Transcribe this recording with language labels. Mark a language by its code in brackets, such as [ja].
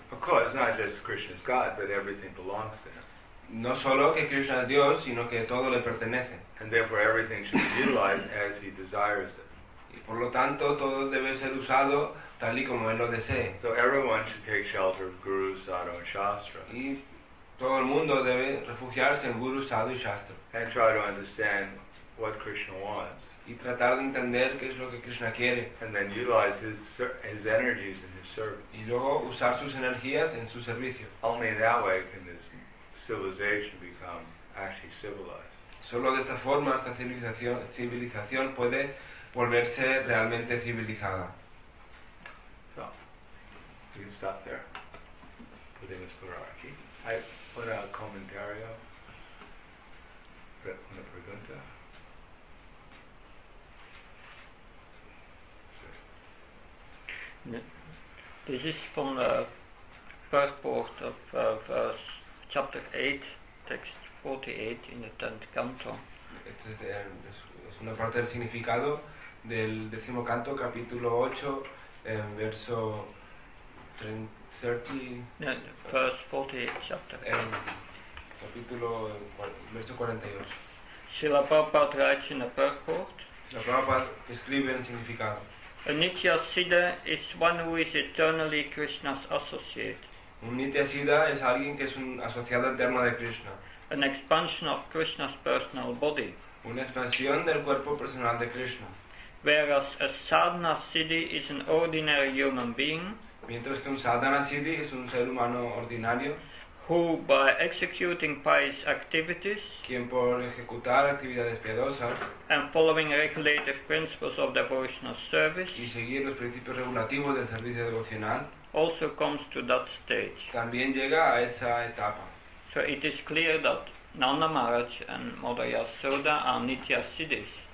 [en] Of course, not just Krishna's God, but everything belongs to him. [es] No solo que Krishna es Dios, sino que todo le pertenece. [en] And therefore everything should be utilized as he desires it. [es] Y por lo tanto, todo debe ser usado tal y como él lo desee. [en] So everyone should take shelter of Guru, Sadhu, and Shastra. [es] Y todo el mundo debe refugiarse en Guru, Sadhu y Shastra. [en] And try to understand what Krishna wants. [es] Y tratar de entender qué es lo que Krishna quiere. [en] And then utilize his energies in his service. [es] Y luego usar sus energías en su servicio. [en] Only in that way can this civilization become actually civilized. [es] Solo de esta forma esta civilización puede volverse realmente civilizada. [en] So, we can stop there. [es] podemos parar aquí. Hay otro comentario, una pregunta. [en] This is from the first part of verse, chapter 8, text 48 in the 10th canto. [es] Este es una parte del significado del décimo canto, capítulo 8, verso 30. [en] No, verse 48, chapter. [es] Capítulo, verso 48. [en] Srila Prabhupada writes in the first part. [es] Srila Prabhupada escribe el significado. [en] A Nitya Siddha is one who is eternally Krishna's associate. [es] Un Nitya Siddha es alguien que es un asociado eterno de Krishna. [en] An expansion of Krishna's personal body. [es] Una expansión del cuerpo personal de Krishna. [en] Whereas a Sadhana Siddhi is an ordinary human being. [es] Mientras que un Sadhana Siddhi es un ser humano ordinario. [en] Who by executing pious activities, [es] quien por ejecutar actividades piadosas, [en] and following regulative principles of devotional service, [es] y seguir los principios regulativos del servicio devocional, [en] also comes to that stage. [es] También llega a esa etapa. [en] So it is clear that Nanda Maharaj and Mother Yasoda are Nitya Siddhis.